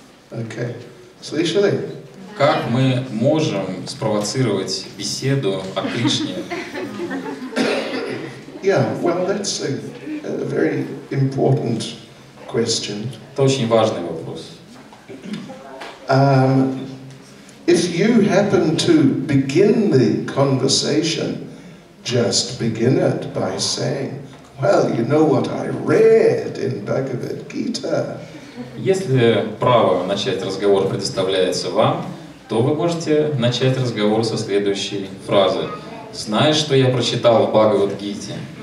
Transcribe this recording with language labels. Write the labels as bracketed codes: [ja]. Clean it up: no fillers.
[ru] Окей. Слышали? Как мы можем спровоцировать беседу о Кришне? [en] Yeah, well, that's a very important question. [ru] Это очень важный вопрос. [en] If you happen to begin the conversation, just begin it by saying, well, you know what I read in Bhagavad Gita. [ru] Если право начать разговор предоставляется вам, то вы можете начать разговор со следующей фразы. Знаешь, что я прочитал в Бхагавад-гите?